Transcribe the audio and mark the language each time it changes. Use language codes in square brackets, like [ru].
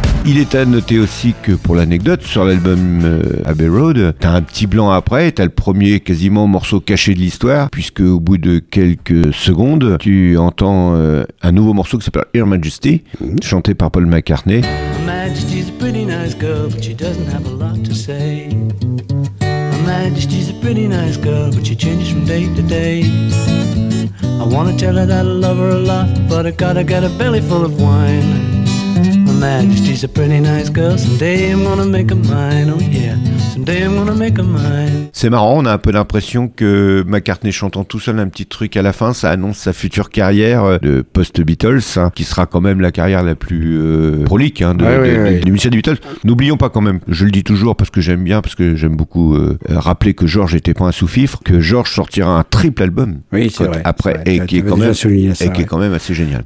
[fr] Il est à noter aussi que, pour l'anecdote, sur l'album Abbey Road, t'as un petit blanc après, t'as le premier quasiment morceau caché de l'histoire, puisque au bout de quelques secondes, tu entends un nouveau morceau qui s'appelle Her Majesty, chanté par Paul McCartney. [en] Her Majesty's a pretty nice girl, but she doesn't have a lot to say. Her Majesty's a pretty nice girl, but she changes from day to day. I wanna tell her that I love her a lot, but I gotta get a belly full of wine. Her Majesty's a pretty nice girl. Someday I'm gonna make her mine. Oh yeah. Someday I'm gonna make her mine. [fr] C'est marrant, on a un peu l'impression que McCartney chantant tout seul un petit truc à la fin, ça annonce sa future carrière de post-Beatles, hein, qui sera quand même la carrière la plus prolique hein, des musiciens des Beatles. N'oublions pas quand même, je le dis toujours parce que j'aime bien, parce que j'aime beaucoup rappeler que George n'était pas un sous-fifre, que George sortira un triple album après, et qui est quand même assez génial.